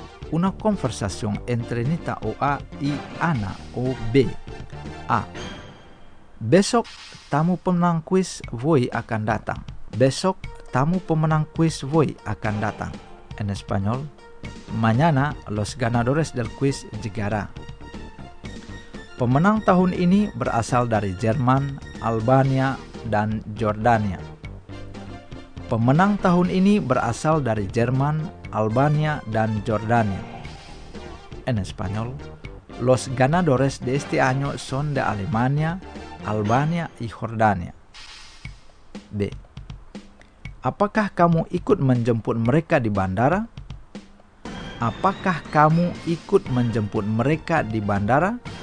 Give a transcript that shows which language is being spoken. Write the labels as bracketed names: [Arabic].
[Spanish] Una conversación entre Nita o A y Ana o B. A. [Indonesian] Besok tamu pemenang quiz Voi akan datang. Besok tamu pemenang quiz Voi akan datang. [Spanish] En español, mañana los ganadores del quiz llegará. [Indonesian] Pemenang tahun ini berasal dari Jerman, Albania, dan Jordania. Pemenang tahun ini berasal dari Jerman, Albania, dan Jordania. [Spanish] En español, los ganadores de este año son de Alemania, Albania, y Jordania. B. [Indonesian] Apakah kamu ikut menjemput mereka di bandara? Apakah kamu ikut menjemput mereka di bandara?